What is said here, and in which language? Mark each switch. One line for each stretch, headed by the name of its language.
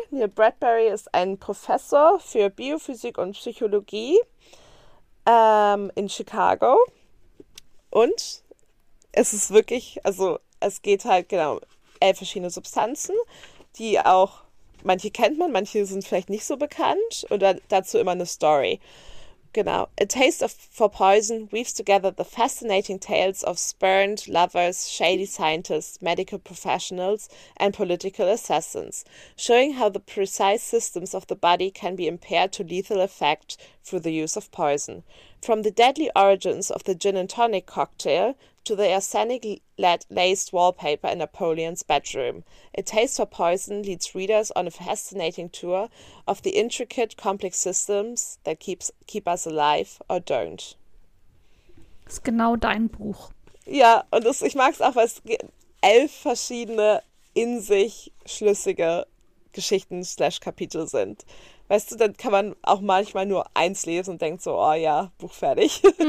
German: Neil Bradbury ist ein Professor für Biophysik und Psychologie in Chicago. Und es ist wirklich, also es geht halt genau 11 verschiedene Substanzen, die auch, manche kennt man, manche sind vielleicht nicht so bekannt. Und dazu immer eine Story. Genau.
English: A Taste for Poison weaves together the fascinating tales of spurned lovers, shady scientists, medical professionals and political assassins, showing how the precise systems of the body can be impaired to lethal effect through the use of poison. From the deadly origins of the gin and tonic cocktail to the arsenic laced wallpaper in Napoleon's bedroom, A Taste for Poison leads readers on a fascinating tour of the intricate, complex systems that keep us alive or don't.
German: Das ist genau dein Buch. Ja, und das, ich mag es auch, weil es 11 verschiedene in sich schlüssige Geschichten / Kapitel sind. Weißt du, dann kann man auch manchmal nur eins lesen und denkt so, oh ja, Buch fertig.